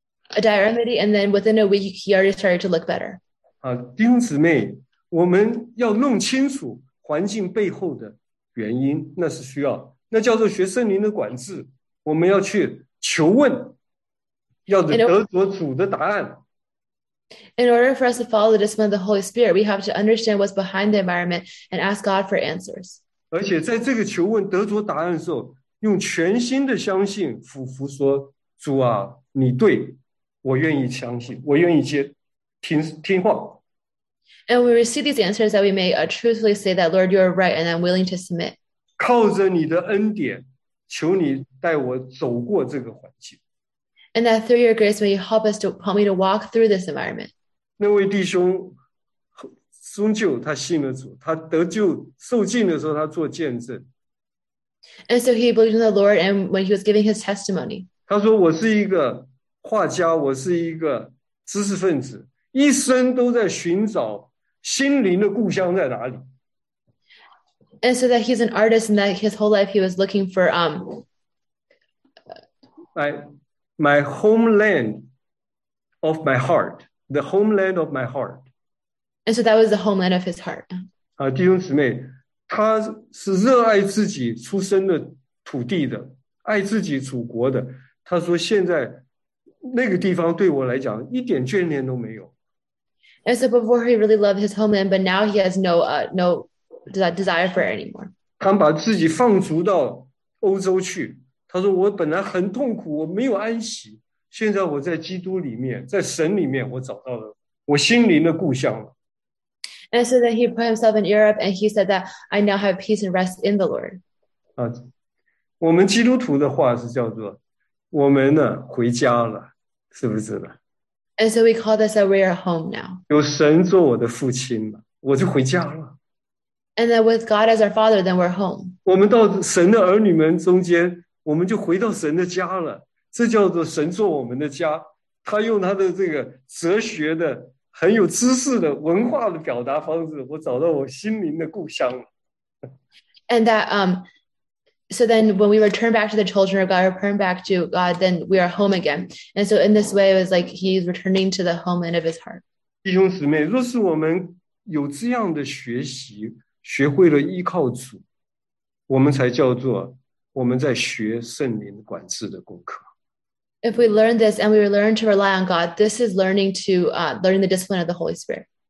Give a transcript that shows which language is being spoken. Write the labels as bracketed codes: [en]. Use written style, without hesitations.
[en] A diet remedy, and then within a week, he already started to look better. [zh] 弟兄姊妹, 我们要弄清楚环境背后的原因, 那是需要, 那叫做学圣灵的管制, 我们要去求问, 要得着主的答案。 [en] In order for us to follow the discipline of the Holy Spirit, we have to understand what's behind the environment and ask God for answers. [zh] 而且在这个求问得着答案的时候, 用全心的相信俯伏说, 主啊, 你对, 我愿意相信, 我愿意接, 听话。 [en] And when we receive these answers that we may truthfully say that, Lord, you are right, and I'm willing to submit. [zh] 靠着你的恩典, 求你带我走过这个环境。 [en] And that through your grace, may you help us to help me to walk through this environment. [zh] 那位弟兄, 终究他信了主, 他得救, 受浸的时候, 他做见证。 [en] And so he believed in the Lord, and when he was giving his testimony, [zh] 他说我是一个画家, 我是一个知识分子, 一生都在寻找心灵的故乡在哪里。 [en] And so that he's an artist, and that his whole life he was looking for my homeland of my heart, the homeland of my heart. And so that was the homeland of his heart. [zh] 弟兄姊妹, 他是热爱自己出生的土地的, 爱自己祖国的，他说现在那个地方对我来讲一点眷恋都没有。 [en] And so before he really loved his homeland, but now he has no desire for it anymore. [zh] 他把自己放逐到欧洲去，他说我本来很痛苦，我没有安息，现在我在基督里面，在神里面，我找到了我心灵的故乡了。 [en] And so then he put himself in Europe and he said that I now have peace and rest in the Lord. [zh] 啊，我们基督徒的话是叫做我们呢回家了，是不是呢？ [en] And so we call this that we are home now. [zh] 有神做我的父亲了，我就回家了。 [en] And that with God as our father, then we're home. [zh] 我们到神的儿女们中间，我们就回到神的家了，这叫做神做我们的家。他用他的这个哲学的很有知识的文化的表达方式，我找到我心灵的故乡了。 [en] And that, so then when we return back to the children of God, return back to God, then we are home again. And so in this way, it was like he's returning to the homeland of his heart. [zh] 弟兄姊妹，若是我们有这样的学习，学会了依靠主，我们才叫做我们在学圣灵管制的功课。 [en] If we learn this and we learn to rely on God, this is learning to learn the discipline of the Holy Spirit.